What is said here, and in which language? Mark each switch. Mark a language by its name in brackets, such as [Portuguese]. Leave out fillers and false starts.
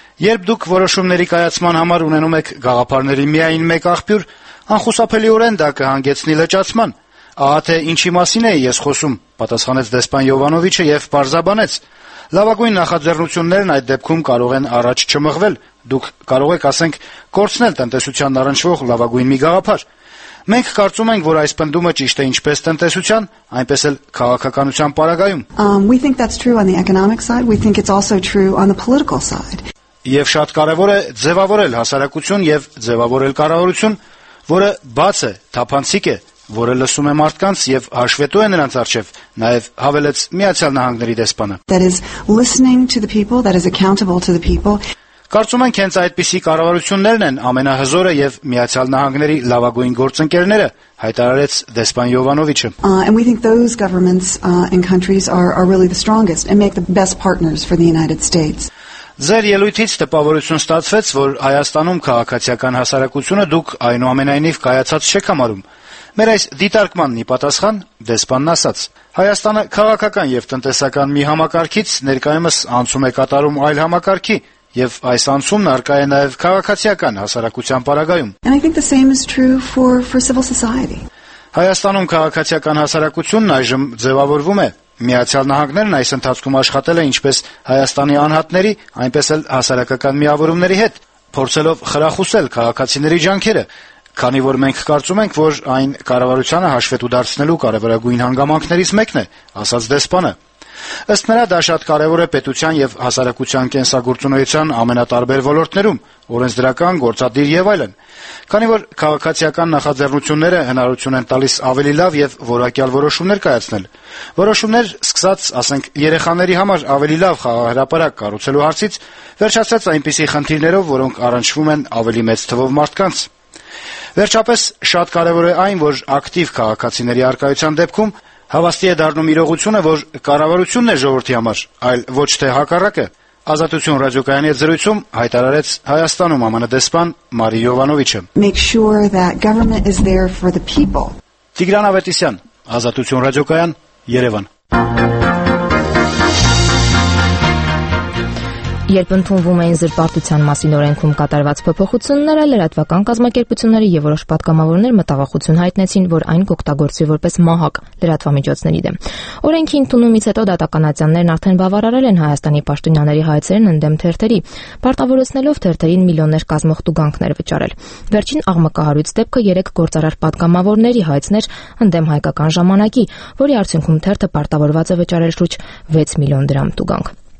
[Armenian] Երբ դուք որոշումների կայացման համար ունենում եք գաղափարների միայն մեկ աղբյուր, անխուսափելիորեն դա կհանգեցնի լճացման։ Ահա թե ինչի մասին էի ես խոսում, պատասխանեց դեսպան Յովանովիչը եւ պարզաբանեց։ Լավագույն նախաձեռնություններն այդ դեպքում կարող են առաջ չմղվել։ Դուք կարող եք, ասենք, կորցնել տնտեսության առնչվող լավագույն մի գաղափար։ Մենք կարծում ենք, որ այս պնդումը ճիշտ է ինչպես տնտեսության, այնպես էլ քաղաքականության պարագայում։ [English] We think that's true on the economic side. We think it's also true on the political side. [Armenian] Եվ շատ կարևոր է ձևավորել հասարակություն եւ ձևավորել կառավարություն, որը բաց է, թափանցիկ է, որը լսում է մարդկանց եւ հաշվետու է նրանց արչեւ, նաեւ հավելեց Միացյալ Նահանգների դեսպանը։ [English] That is listening to the people, that is accountable to the people. [Armenian] Կարծում ենք հենց այդպիսի կառավարություններն են ամենահզորը եւ Միացյալ Նահանգների լավագույն գործընկերները, հայտարարեց դեսպան Յովանովիչը։ [English] And we think those governments and countries are really the strongest and make the best partners for the United States. [Armenian] Ձեր ելույթից տպավորություն ստացվեց, որ Հայաստանում քաղաքացիական հասարակությունը դուք այնուամենայնիվ կայացած չեք համարում։ Մեր այս դիտարկմանն ի պատասխան դեսպանն ասաց. Հայաստանը քաղաքական եւ տնտեսական մի համակարգից ներկայումս անցում է կատարում այլ համակարգի եւ այս անցումն առկա է նաեւ քաղաքացիական հասարակության պարագայում։ [English] And I think the same is true for civil society. [Armenian] Հայաստանում քաղաքացիական հասարակությունն այժմ ձևավորվում է Միացյալ Նահանգներն այս ընթացքում աշխատել է ինչպես Հայաստանի անհատների, այնպես էլ հասարակական միավորումների հետ, փորձելով խրախուսել քաղաքացիների ջանքերը, քանի որ մենք կարծում ենք, որ այն կառավարությունը հաշվետու դարձնելու կարևորագույն հանգամանքներից մեկն է, ասաց դեսպանը։ Ըստ նրա դա շատ կարևոր է պետության եւ հասարակության կենսագործունեության ամենատարբեր ոլորտներում, օրենսդրական, գործադիր եւ այլն։ Քանի որ քաղաքացիական նախաձեռնությունները հնարություն են տալիս ավելի լավ եւ որակյալ որոշումներ կայացնել։ Որոշումներ, սկսած, ասենք, երեխաների համար ավելի լավ խաղահրապարակ կառուցելու հարցից, վերջացած այնպիսի խնդիրներով, որոնք առնչվում են ավելի մեծ թվով մարդկանց։ Վերջապես, շատ կարևոր է այն, որ ակտիվ քաղաքացիների առկայության դեպքում հավաստի է դառնում իրողությունը, որ կառավարությունն է ժողովրդի համար, այլ ոչ թե հակառակը։ Ազատություն ռադիոկայանի զրույցում հայտարարեց Հայաստանում ԱՄՆ դեսպան Մարի Յովանովիչը։ [English] Make sure that government is there for the people. [Armenian] Տիգրան Ավետիսյան, Ազատություն ռադիոկայան, Երևան։ Երբ ընդունվում էին զրպարտության մասին օրենքում կատարված փոփոխությունները, լրատվական կազմակերպությունները եւ որոշ պատգամավորներ մտավախություն հայտնեցին, որ այն կօգտագործվի որպես մահակ լրատվամիջոցների դեմ։ Օրենքի ընդունումից հետո դատականացիաններն արդեն բավարարել են Հայաստանի պաշտոնյաների հայցերն ընդդեմ թերթերի, պարտավորեցնելով թերթերին միլիոններ կազմող տուգանքներ վճարել։ Վերջին աղմկահարույց դեպքը 3 գործարար պատգամավորների հայցներ ընդդեմ հայկական ժամանակի, որի արդյունքում թերթը պարտավորված է վճարել շուրջ 6 միլիոն դրամ տուգանք։